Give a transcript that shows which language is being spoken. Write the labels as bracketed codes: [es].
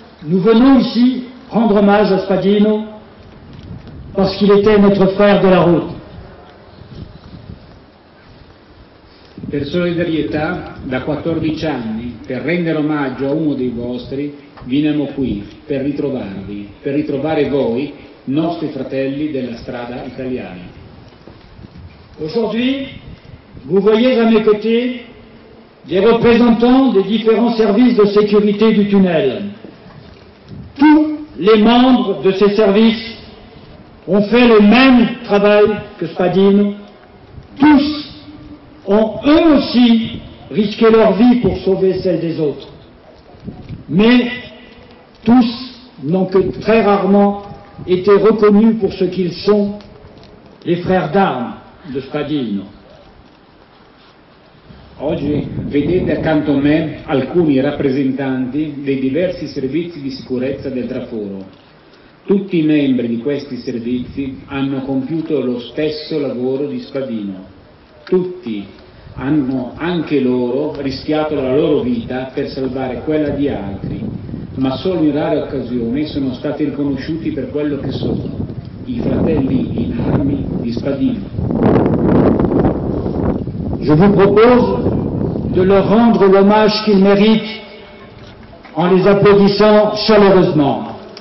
[fr] Nous venons ici rendre hommage à Spadino parce qu'il était notre frère de la route. [it] Per solidarietà, da 14 anni, per rendere omaggio a uno dei vostri, veniamo qui per ritrovarvi, per ritrovare voi, nostri fratelli della strada italiana. [fr] Aujourd'hui, vous voyez à mes côtés des représentants des différents services de sécurité du tunnel. Tous les membres de ces services ont fait le même travail que Spadino. Tous ont eux aussi risqué leur vie pour sauver celle des autres. Mais tous n'ont que très rarement été reconnus pour ce qu'ils sont, les frères d'armes de Spadino. [it] Oggi vedete accanto a me alcuni rappresentanti dei diversi servizi di sicurezza del traforo. Tutti i membri di questi servizi hanno compiuto lo stesso lavoro di Spadino. Tutti hanno anche loro rischiato la loro vita per salvare quella di altri, ma solo in rare occasioni sono stati riconosciuti per quello che sono, i fratelli in armi di Spadino. [fr] Je vous propose de leur rendre l'hommage qu'ils méritent en les applaudissant chaleureusement.